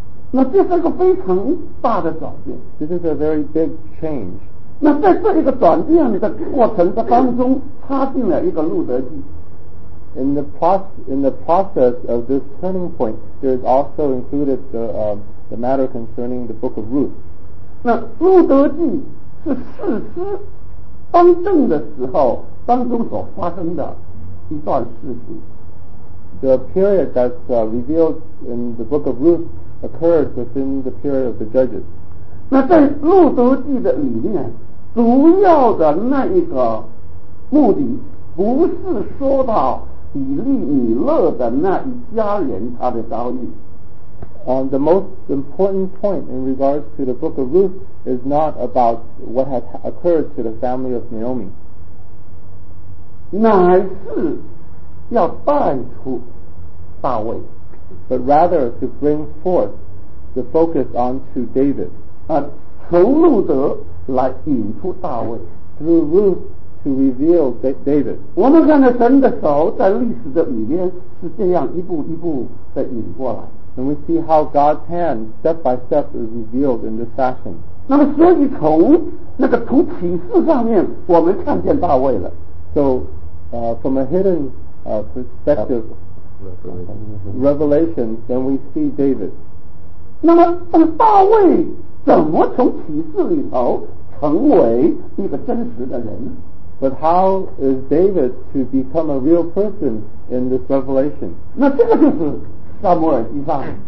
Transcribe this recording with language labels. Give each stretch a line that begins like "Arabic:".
Chinese: 那这是一个非常大的转变。
English: This is a very big change.
Chinese: 那在这一个转变的过程的当中，插进了一个路德记。
English: In the process of this turning point, there is also included the matter concerning the book of Ruth.
Chinese: 那路德记是士师当政的时候当中所发生的一段事情。
English: The period that's revealed in the book of Ruth occurs within the period of the judges.
Chinese: 那在路德记的里面主要的那一个目的不是说到以利米勒的那一家人他的遭遇。
English: The most important point in regards to the book of Ruth is not about what has occurred to the family of Naomi.
Chinese: 乃是要带出大卫。
English: But rather to bring forth the focus onto David.
Chinese: 从路德来引出大卫。
English: Through Ruth,to reveal David.
Chinese: 我们看到神的手在历史的里面是这样一步一步的引过来。
English: And we see how God's hand, step by step, is revealed in this fashion.
Chinese: 那么所以从那个图启示上面我们看见大卫了。
English: So, from a hidden, perspective, revelation, then we see David.
Chinese: 那么大卫怎么从启示里头成为一个真实的人？
English: But how is David to become a real person in this revelation?
Chinese: 那这个就是撒母耳记上。